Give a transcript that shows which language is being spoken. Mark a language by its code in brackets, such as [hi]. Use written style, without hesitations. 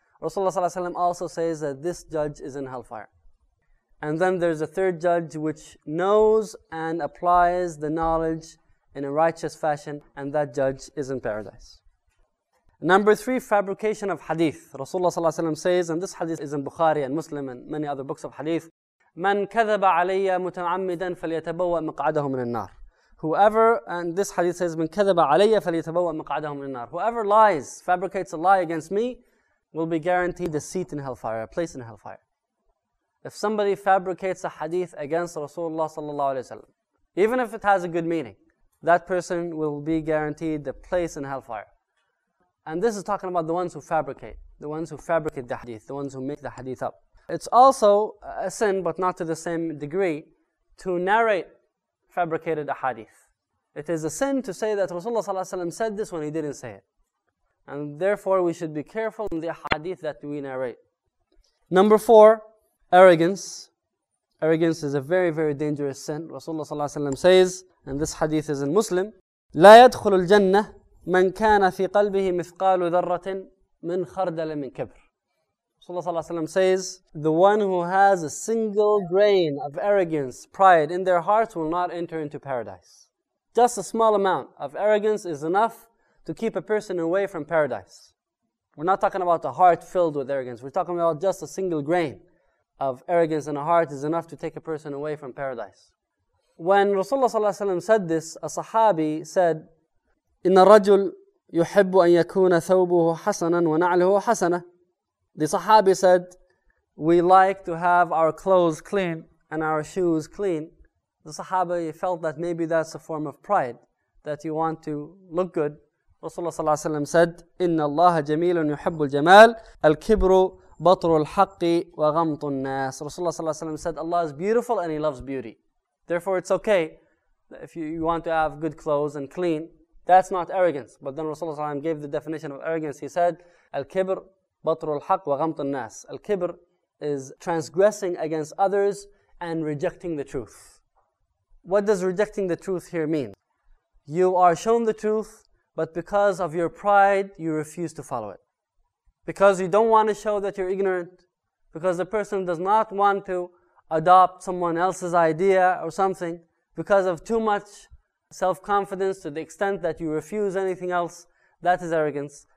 [en] Rasulullah ﷺ also says that this judge is in hellfire. And then there's a third judge which knows and applies the knowledge in a righteous fashion, and that judge is in paradise. Number three, fabrication of hadith. Rasulullah ﷺ says, and this hadith is in Bukhari and Muslim and many other books of hadith, [ar] مَنْ كَذَبَ عَلَيَّ مُتَعَمِّدًا فَلْيَتَبَوَّ مِقْعَدَهُ مِنَ النَّارِ. [en] Whoever, and this hadith says, [ar] مَنْ كَذَبَ عَلَيَّ فَلْيَتَبَوَّ مِقْعَدَهُ مِنَ النَّارِ. [en] Whoever lies, fabricates a lie against me, will be guaranteed a seat in hellfire, a place in hellfire. If somebody fabricates a hadith against Rasulullah ﷺ, even if it has a good meaning, that person will be guaranteed a place in hellfire. And this is talking about the ones who fabricate the hadith, the ones who make the hadith up. It's also a sin, but not to the same degree, to narrate fabricated a hadith. It is a sin to say that Rasulullah ﷺ said this when he didn't say it. And therefore, we should be careful in the hadith that we narrate. Number four, arrogance. Arrogance is a very, very dangerous sin. Rasulullah ﷺ says, and this hadith is in Muslim, [ar] لا يدخل الجنة من كان في قلبه مثقال ذرة من خردل من كبر. [en] Rasulullah ﷺ says, the one who has a single grain of arrogance, pride in their hearts will not enter into paradise. Just a small amount of arrogance is enough to keep a person away from paradise. We're not talking about a heart filled with arrogance. We're talking about just a single grain of arrogance in a heart is enough to take a person away from paradise. When Rasulullah ﷺ said this, a sahabi said, [ar] إِنَّ الرَّجُلْ يُحِبُّ أَن يَكُونَ ثَوْبُهُ حَسَنًا وَنَعْلِهُ حَسَنًا. [en] The sahabi said, we like to have our clothes clean and our shoes clean. The sahabi felt that maybe that's a form of pride, that you want to look good. [ar] Rasulullah صلى الله عليه وسلم said, إِنَّ اللَّهَ جَمِيلٌ يُحِبُّ الْجَمَالِ الْكِبْرُ بَطْرُ الْحَقِّ وَغَمْطُ النَّاسِ. [en] Rasulullah صلى الله عليه وسلم said, Allah is beautiful and He loves beauty. Therefore, it's okay if you want to have good clothes and clean. That's not arrogance. But then Rasulullah صلى الله عليه وسلم gave the definition of arrogance. He said, [ar] الْكِبْرُ بَطْرُ الْحَقِّ وَغَمْطُ النَّاسِ. [en] Al-kibr is transgressing against others and rejecting the truth. What does rejecting the truth here mean? You are shown the truth, but because of your pride, you refuse to follow it. Because you don't want to show that you're ignorant, because the person does not want to adopt someone else's idea or something, because of too much self-confidence to the extent that you refuse anything else, that is arrogance.